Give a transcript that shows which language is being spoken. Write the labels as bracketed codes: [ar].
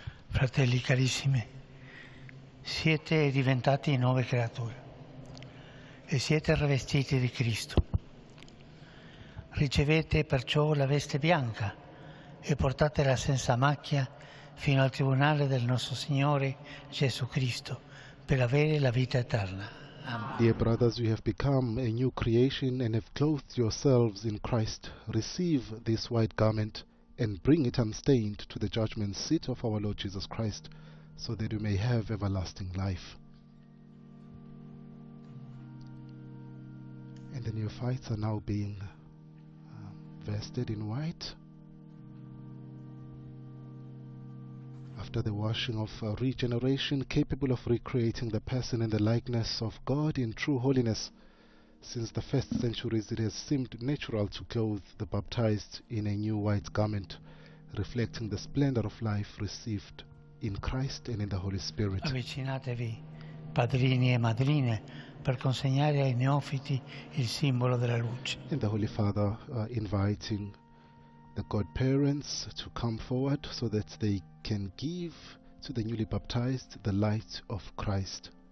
[it] Fratelli carissimi, siete diventati nuove creature e siete rivestiti di Cristo. Ricevete perciò la veste bianca e portatela senza macchia fino al tribunale del nostro Signore Gesù Cristo per avere la vita eterna. Amen. [en] Dear brothers, you have become a new creation and have clothed yourselves in Christ. Receive this white garment and bring it unstained to the judgment seat of our Lord Jesus Christ, so that you may have everlasting life. And the neophytes are now being vested in white. After the washing of regeneration, capable of recreating the person in the likeness of God in true holiness, since the first centuries it has seemed natural to clothe the baptized in a new white garment, reflecting the splendor of life received in Christ and in the Holy Spirit. [it] Avvicinatevi, padrini e madrine, per consegnare ai neofiti il simbolo della luce. [en] And the Holy Father inviting the godparents to come forward so that they can give to the newly baptized the light of Christ.